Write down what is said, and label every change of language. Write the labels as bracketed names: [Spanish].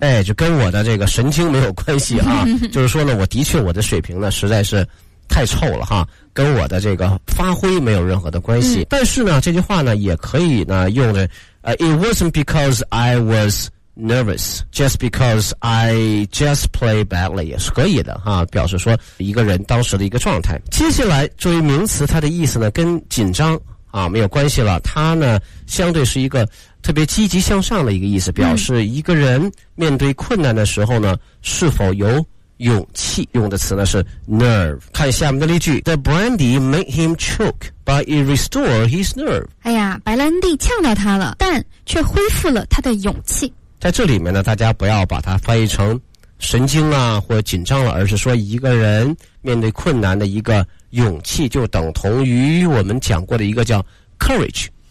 [Chinese] 哎，就跟我的这个神经没有关系啊就是说呢我的确我的水平呢实在是太臭了哈，跟我的这个发挥没有任何的关系、嗯、但是呢这句话呢也可以呢用的 [English] it wasn't because I was nervous, just because I just played badly [Chinese] 也是可以的哈，表示说一个人当时的一个状态。接下来作为名词它的意思呢跟紧张啊没有关系了，它呢相对是一个特别积极向上的一个意思，表示一个人面对困难的时候呢、嗯、是否有勇气，用的词呢是 nerve。看下面的例句。 [English] The brandy made him choke but it restored his nerve。 [Chinese] 哎呀，白兰地呛到他了，但却恢复了他的勇气。在这里面呢大家不要把它翻译成神经啊或紧张了，而是说一个人面对困难的一个勇气，就等同于我们讲过的一个叫 courage。